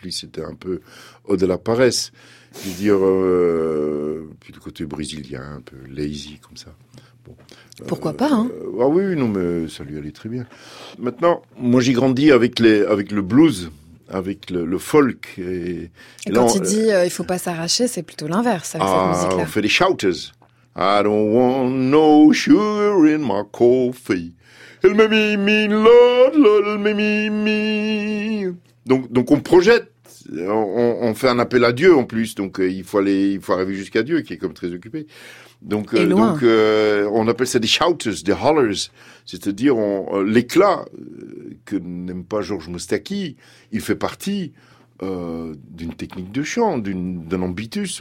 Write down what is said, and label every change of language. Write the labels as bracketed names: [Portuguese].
[French] Lui, c'était un peu haut de la paresse. Je veux dire, puis du côté brésilien, un peu lazy, comme ça. Bon. Pourquoi pas, hein? Ah oui, non, mais ça lui allait très bien. Maintenant, moi, j'ai grandi avec les, avec le blues, avec le folk. Et quand là, il dit, il faut pas s'arracher, c'est plutôt l'inverse, avec cette musique-là. On fait des shouters. [English] I don't want no sugar in my coffee. Help me, me, Lord, Lord, help me, me, me. [French] Donc on projette, on fait un appel à Dieu en plus, donc il faut arriver jusqu'à Dieu qui est comme très occupé. Donc on appelle ça des shouters, des hollers, c'est-à-dire l'éclat que n'aime pas Georges Moustaki, il fait partie d'une technique de chant, d'un ambitus.